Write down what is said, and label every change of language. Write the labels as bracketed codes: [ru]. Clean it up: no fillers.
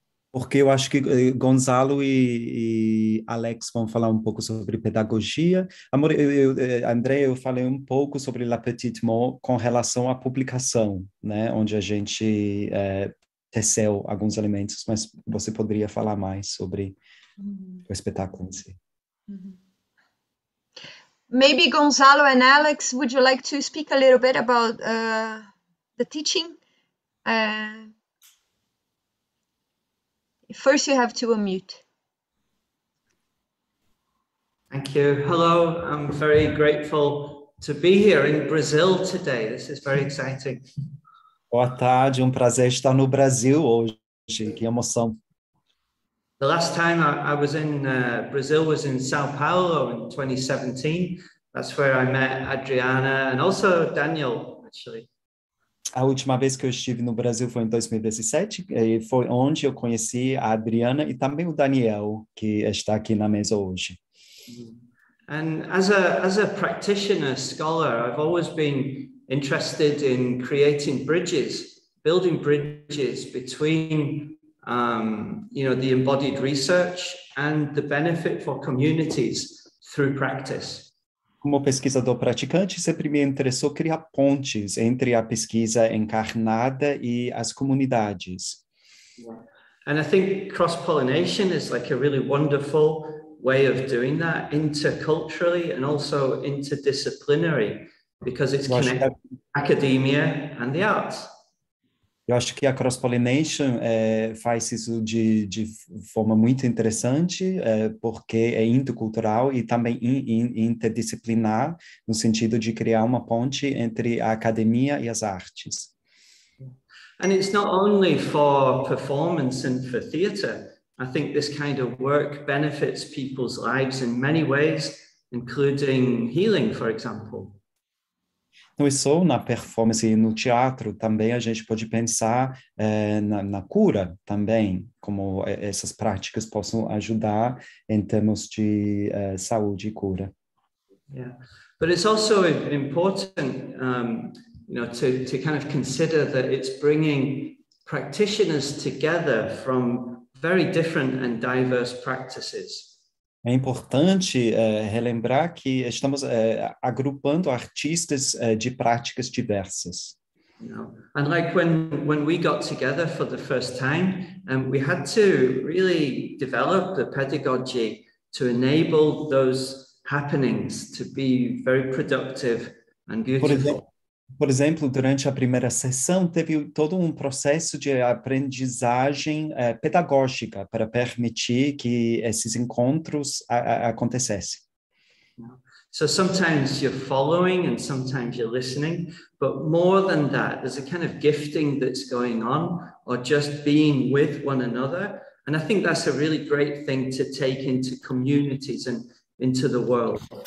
[pt] Porque eu acho que Gonzalo e Alex vão falar um pouco sobre pedagogia. Amor, André, eu falei um pouco sobre La Petite Mort com relação à publicação, né? Onde a gente teceu alguns elementos, mas você poderia falar mais sobre o espetáculo em si. [en] Maybe Gonzalo and Alex, would you like to speak a little bit about the teaching? First, you have to unmute. Thank you. Hello, I'm very grateful to be here in Brazil today. This is very exciting. [pt] Boa tarde, prazer estar no Brasil hoje. Que emoção. [en] The last time I was in Brazil was in Sao Paulo in 2017. That's where I met Adriana and also Daniel, actually. [pt] A última vez que eu estive no Brasil foi em 2017, e foi onde eu conheci a Adriana e também o Daniel, que está aqui na mesa hoje. [en] And as a practitioner, scholar, I've always been interested in creating bridges, building bridges between the embodied research and the benefit for communities through practice. [pt] Como pesquisador praticante, sempre me interessou criar pontes entre a pesquisa encarnada e as comunidades. [en] And I think cross-pollination is like a really wonderful way of doing that interculturally and also interdisciplinary, because it's connected academia and the arts. [pt] Eu acho que a cross-pollination faz isso de forma muito interessante, porque é intercultural e também interdisciplinar, no sentido de criar uma ponte entre a academia e as artes. [en] And it's not only for performance and for theater. I think this kind of work benefits people's lives in many ways, including healing, for example. [pt] Não é só na performance e no teatro, também a gente pode pensar na cura também, como essas práticas possam ajudar em termos de saúde e cura. [en] Yeah, but it's also important, to kind of consider that it's bringing practitioners together from very different and diverse practices. [pt] É importante relembrar que estamos agrupando artistas de práticas diversas. [en] And like when we got together for the first time, we had to really develop the pedagogy to enable those happenings to be very productive and beautiful. [pt] Por exemplo, durante a primeira sessão, teve todo um processo de aprendizagem pedagógica para permitir que esses encontros acontecessem. [en] So sometimes you're following and sometimes you're listening, but more than that, there's a kind of gifting that's going on, or just being with one another. And I think that's a really great thing to take into communities and into the world.